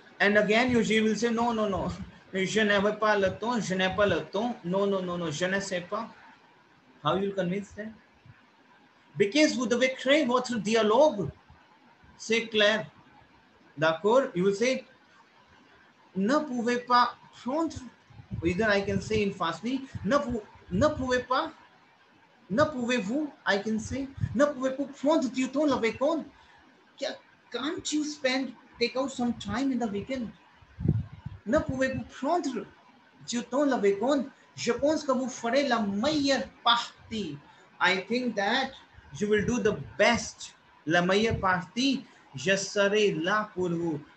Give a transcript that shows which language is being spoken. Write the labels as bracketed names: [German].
[English] And again, you will say, no, no, no. [French] Je n'avais pas le temps, je n'ai pas le temps. [English] No, no, no, no, [French] je ne sais pas. [English] How you convince them? [French] Because vous devez créer votre dialogue. C'est clair. D'accord? [English] You will say, [French] ne pouvez pas prendre, [English] either I can say in fastly, [French] ne pouvez-vous prendre du temps le week-end? [English] Can't you spend, take out some time in the weekend? [French] Ne pouvez-vous prendre du temps le week-end? Je pense que vous ferez la meilleure partie. [English] I think that you will do the best. [French] La meilleure partie, je serai là pour vous.